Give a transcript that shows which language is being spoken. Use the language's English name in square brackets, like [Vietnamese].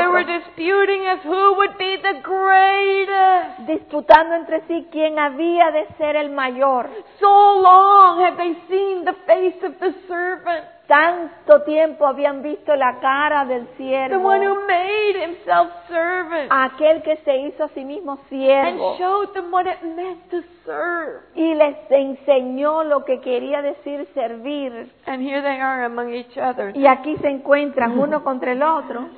[English] They were disputing as who would be the greatest. [Spanish] Disputando entre sí quién había de ser el mayor. [English] So long have they seen the face of the servant. [Spanish] Tanto tiempo habían visto la cara del siervo. [English] The one who made himself servant. [Spanish] Aquel que se hizo a sí mismo siervo. [English] And showed them what it meant to serve. [Spanish] Y les enseñó lo que quería decir servir. [English] And here they are among each other. [Spanish] Y aquí se encuentran uno contra el otro.